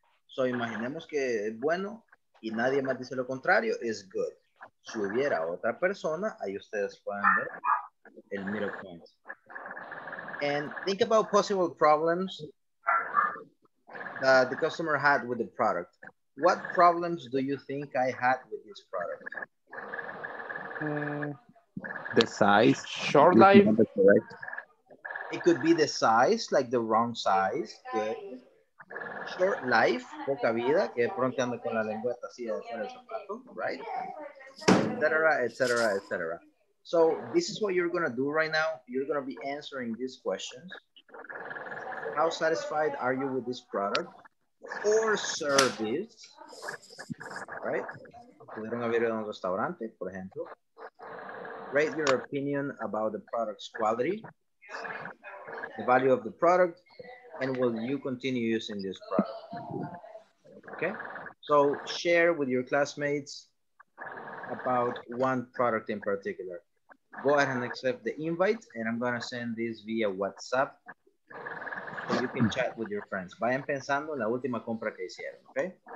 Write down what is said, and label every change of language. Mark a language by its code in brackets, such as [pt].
[es] So imaginemos que es bueno y nadie más dice lo contrario, es good. Si hubiera otra persona, ahí ustedes pueden ver el middle point. [en] And think about possible problems that the customer had with the product. What problems do you think I had with this product? The size. Short life. It could be the size, like the wrong size. [es] Que short life, poca vida, que pronto ando con la lengüeta así de fuera del zapato, right? [en] Et cetera, et cetera, et cetera. So this is what you're gonna do right now. You're gonna be answering these questions. How satisfied are you with this product or service, right? [es] Pudieron abrir un restaurante, por ejemplo. [en] Rate your opinion about the product's quality, the value of the product, and will you continue using this product? Okay, so share with your classmates about one product in particular. Go ahead and accept the invite, and I'm gonna send this via WhatsApp so you can chat with your friends. [es] Vayan pensando en la última compra que hicieron, okay?